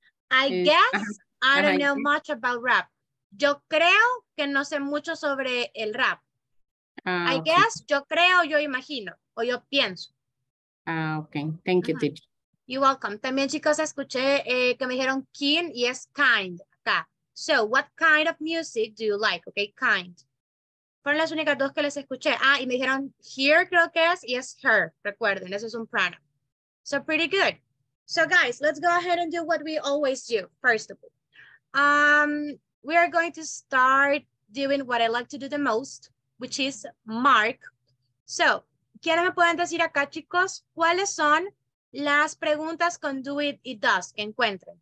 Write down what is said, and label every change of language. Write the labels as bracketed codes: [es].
[en] I guess I don't know much about rap. [es] Yo creo que no sé mucho sobre el rap. [en] I guess, [es] yo creo, yo imagino, o yo pienso. [en] Okay, thank you, teacher. You're welcome. [es] También, chicos, escuché que me dijeron kind y es kind acá. [en] So, what kind of music do you like? [es] Okay, kind. Fueron las únicas dos que les escuché. Ah, y me dijeron here, creo que es, y es her. Recuerden, eso es un pronoun. [en] So, pretty good. So, guys, let's go ahead and do what we always do, first of all. We are going to start doing what I like to do the most, which is mark. [es] So, ¿quiénes me pueden decir acá, chicos, cuáles son las preguntas con do it y does que encuentren?